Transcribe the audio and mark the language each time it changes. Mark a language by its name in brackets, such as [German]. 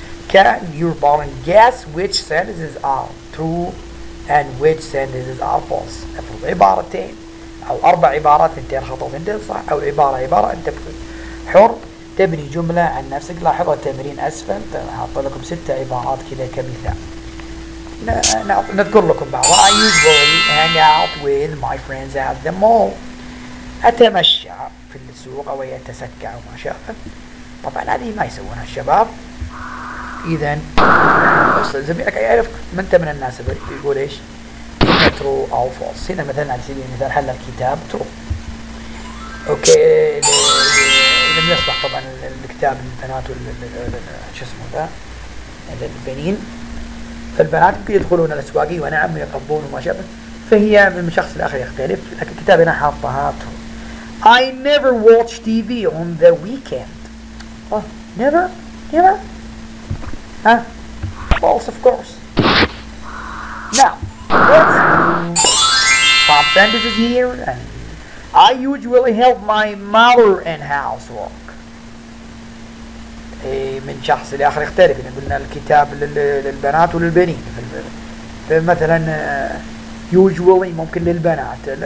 [English] Can your partner guess which sentences are true and which sentences are false? [Arabic] افرض عبارتين او اربع عبارات انتين خطأ وانتين صح او عبارة عبارة انت حر تبني جملة عن نفسك. لاحظوا التمرين اسفل حاط لكم ستة عبارات كذا كمثال نذكر لكم بعضها. [English] I usually hang out with my friends at the mall. [Arabic] اتمشى في السوق او يتسكع وما شابه. طبعا هذه ما يسوونها الشباب. اذا زميلك يعرف من انت من الناس يقول ايش [English] true or false. [Arabic] هنا مثلا على سبيل المثال حل الكتاب true. اوكي لم يصلح طبعا الكتاب للبنات شو اسمه ذا للبنين. فالبنات يدخلون الاسواقي ونعم يقضون وما شابه. فهي من شخص لاخر يختلف. لكن الكتاب هنا حاطها true. [English] I never watch TV on the weekend. Oh, never? Never? Huh? False, of course. Now, what's top sentences here? And I usually help my mother in housework. [Arabic] إيه من شخص لآخر يختلف. قلنا الكتاب للبنات وللبنين. فمثلاً usually ممكن للبنات.